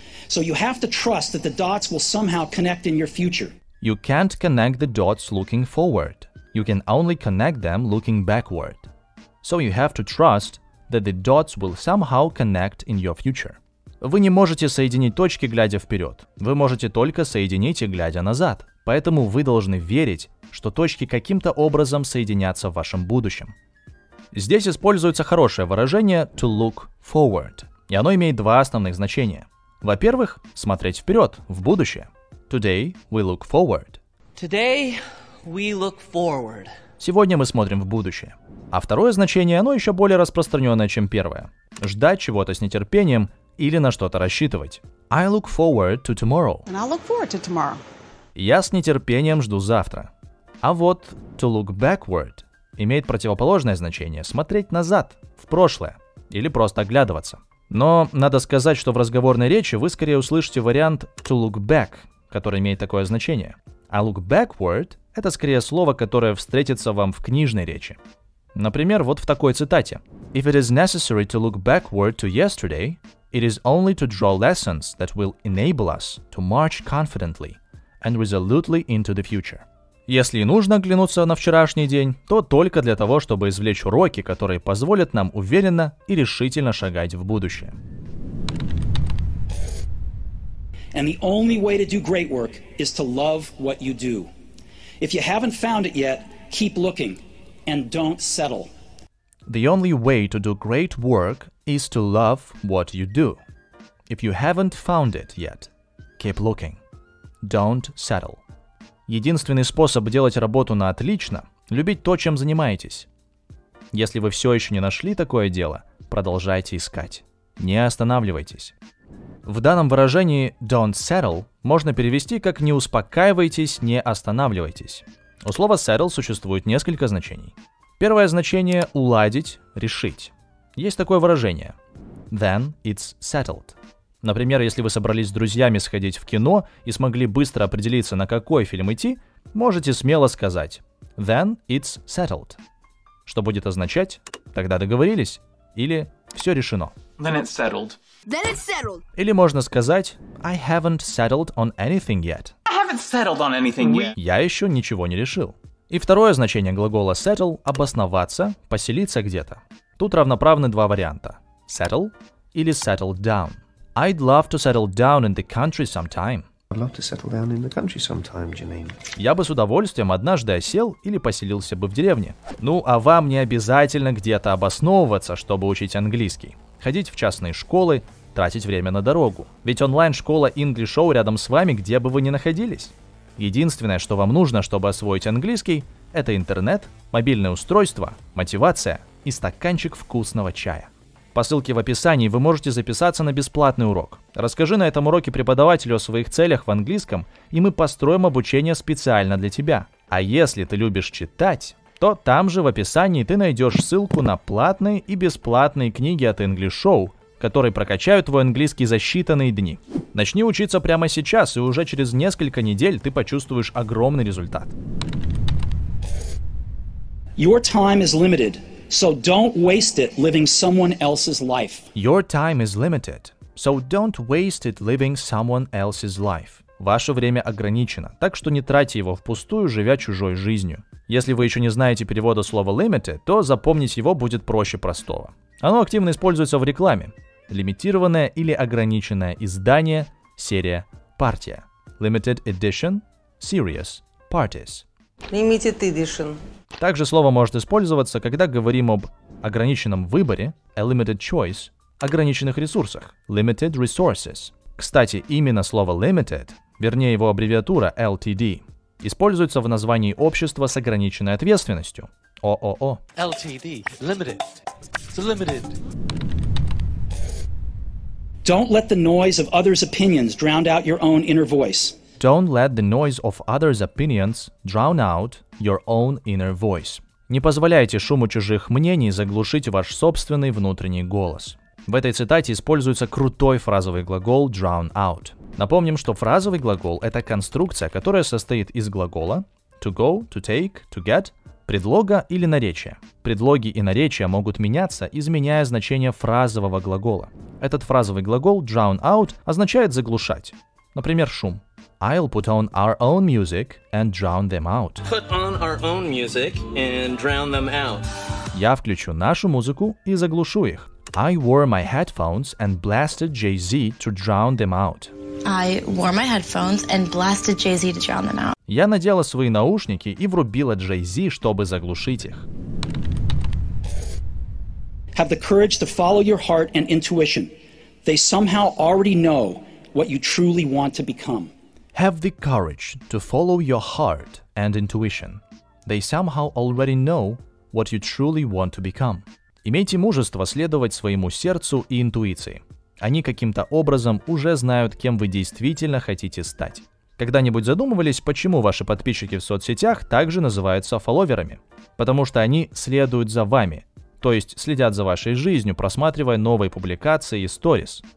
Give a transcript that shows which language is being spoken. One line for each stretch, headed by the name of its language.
English: So you have to trust that the dots will somehow connect in your future. You can't connect the dots looking forward. You can only connect them looking backward. So you have to trust that the dots will somehow connect in your future.
Russian: Вы не можете соединить точки, глядя вперед. Вы можете только соединить их, глядя назад. Поэтому вы должны верить, что точки каким-то образом соединятся в вашем будущем. Здесь используется хорошее выражение
English: «to look forward»,
Russian: и оно имеет 2 основных значения. Во-первых, смотреть вперед, в будущее.
English: Today we look forward. Today we look forward.
Russian: Сегодня мы смотрим в будущее. А второе значение, оно еще более распространенное, чем первое. Ждать чего-то с нетерпением или на что-то рассчитывать.
English: I look forward to tomorrow. And I look forward to tomorrow.
Russian: Я с нетерпением жду завтра. А вот
English: «to look backward»
Russian: имеет противоположное значение – смотреть назад, в прошлое, или просто оглядываться. Но надо сказать, что в разговорной речи вы скорее услышите вариант
English: «to look back»,
Russian: который имеет такое значение. А
English: «look backward»
Russian: – это скорее слово, которое встретится вам в книжной речи. Например, вот в такой цитате.
English: If it is necessary to look backward to yesterday, it is only to draw lessons that will enable us to march confidently and resolutely into the future.
Russian: Если и нужно оглянуться на вчерашний день, то только для того, чтобы извлечь уроки, которые позволят нам уверенно и решительно шагать в будущее.
English: And the only way to do great work is to love what you do. If you haven't found it yet, keep looking and don't settle. The only way to do great work is to love what you do. If you haven't found it yet, keep looking. Don't settle.
Russian: Единственный способ делать работу на отлично – любить то, чем занимаетесь. Если вы все еще не нашли такое дело, продолжайте искать. Не останавливайтесь. В данном выражении
English: «don't settle»
Russian: можно перевести как «не успокаивайтесь, не останавливайтесь». У слова «settle» существует несколько значений. Первое значение – уладить, решить. Есть такое выражение –
English: «then it's settled».
Russian: Например, если вы собрались с друзьями сходить в кино и смогли быстро определиться, на какой фильм идти, можете смело сказать «then it's settled». Что будет означать «тогда договорились» или «все решено».
English: Then it's settled. Then it's settled.
Russian: Или можно сказать
English: «I haven't settled on anything yet». I haven't settled on anything yet.
Russian: Я еще ничего не решил. И второе значение глагола «settle» – «обосноваться», «поселиться где-то». Тут равноправны 2 варианта – «settle» или
English: «settle down». I'd love to settle down in the country sometime. I'd love to settle down in the country sometime, Janine.
Russian: Я бы с удовольствием однажды осел или поселился бы в деревне. Ну, а вам не обязательно где-то обосновываться, чтобы учить английский. Ходить в частные школы, тратить время на дорогу. Ведь онлайн-школа English Show рядом с вами, где бы вы ни находились. Единственное, что вам нужно, чтобы освоить английский, это интернет, мобильное устройство, мотивация и стаканчик вкусного чая. По ссылке в описании вы можете записаться на бесплатный урок. Расскажи на этом уроке преподавателю о своих целях в английском, и мы построим обучение специально для тебя. А если ты любишь читать, то там же в описании ты найдешь ссылку на платные и бесплатные книги от English Show, которые прокачают твой английский за считанные дни. Начни учиться прямо сейчас, и уже через несколько недель ты почувствуешь огромный результат.
English: Your time is limited, so don't waste it living someone else's life. Your time is limited, so don't waste it living someone else's life.
Russian: Ваше время ограничено, так что не тратьте его впустую, живя чужой жизнью. Если вы еще не знаете перевода слова limited, то запомнить его будет проще простого. Оно активно используется в рекламе. Лимитированное или ограниченное издание, серия, партия.
English: Limited edition, series, parties. Limited edition.
Russian: Также слово может использоваться, когда говорим об ограниченном выборе,
English: a limited choice,
Russian: ограниченных ресурсах,
English: limited resources.
Russian: Кстати, именно слово limited, вернее его аббревиатура LTD, используется в названии общества с ограниченной ответственностью. ООО.
English: LTD. Limited. It's limited. Don't let the noise of others' opinions drown out your own inner voice. Don't let the noise of others' opinions drown out your own inner voice.
Russian: Не позволяйте шуму чужих мнений заглушить ваш собственный внутренний голос. В этой цитате используется крутой фразовый глагол
English: drown out.
Russian: Напомним, что фразовый глагол — это конструкция, которая состоит из глагола
English: to go, to take, to get,
Russian: предлога или наречия. Предлоги и наречия могут меняться, изменяя значение фразового глагола. Этот фразовый глагол
English: drown out
Russian: означает заглушать. Например, шум.
English: I'll put on our own music and drown them out. Put on our own music and drown them out.
Russian: Я включу нашу музыку и заглушу их.
English: I wore my headphones and blasted Jay-Z to drown them out. I wore my headphones and blasted Jay-Z to drown them out.
Russian: Я надела свои наушники и врубила Jay-Z, чтобы заглушить их.
English: Have the courage to follow your heart and intuition. They somehow already know what you truly want to become. Have the courage to follow your heart and intuition. They somehow already know what you truly want to become.
Russian: Имейте мужество следовать своему сердцу и интуиции. Они каким-то образом уже знают, кем вы действительно хотите стать. Когда-нибудь задумывались, почему ваши подписчики в соцсетях также называются фолловерами? Потому что они следуют за вами, то есть следят за вашей жизнью, просматривая новые публикации и сторис.